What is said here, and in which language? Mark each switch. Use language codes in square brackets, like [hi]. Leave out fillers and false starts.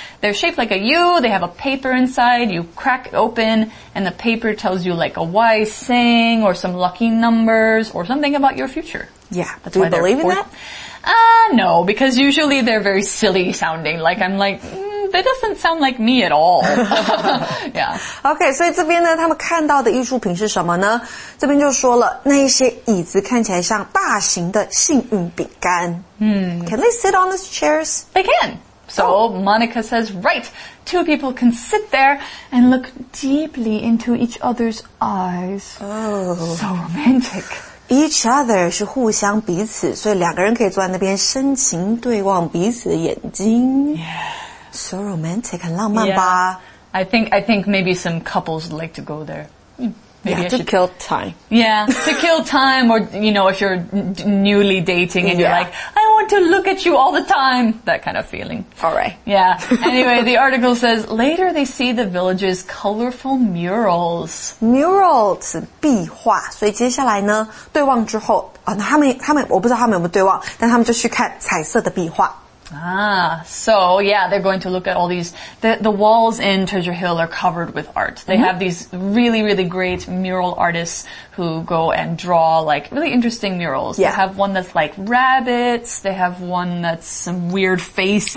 [en] They're shaped like a U, they have a paper inside, you crack it open, and the paper tells you like a wise saying or some lucky numbers or something about your future. Yeah, that's why they're fortune. Do you believe in that? No, because usually they're very silly sounding. Like, I'm like, that doesn't sound like me at all. Yeah. [zh] Okay, 所以这边呢，他们看到的艺术品是什么呢？这边就说了，那一些椅子看起来像大型的幸运饼干。 [en] Can they sit on these chairs? They can. So, Monica says, right, two people can sit there and look deeply into each other's eyes. Oh. So romantic. [zh] Each other 是互相彼此，所以两个人可以坐在那边深情对望彼此的眼睛。 [en] Yeah. So romantic, [zh] 很浪漫吧。 [en] Yeah. I think maybe some couples would like to go there. Maybe to kill time. Yeah, to kill time or, you know, if you're newly dating and you're like, I want to look at you all the time. That kind of feeling. All right. Yeah. Anyway, the article says, later they see the village's colorful murals. [zh] Mural 是壁画，所以接下来呢，对望之后，他们我不知道他们有没有对望，但他们就去看彩色的壁画。 [en] Ah, so yeah, they're going to look at all these, the walls in Treasure Hill are covered with art. They have these really, really great mural artists who go and draw like really interesting murals. Yeah. They have one that's like rabbits, they have one that's some weird faces.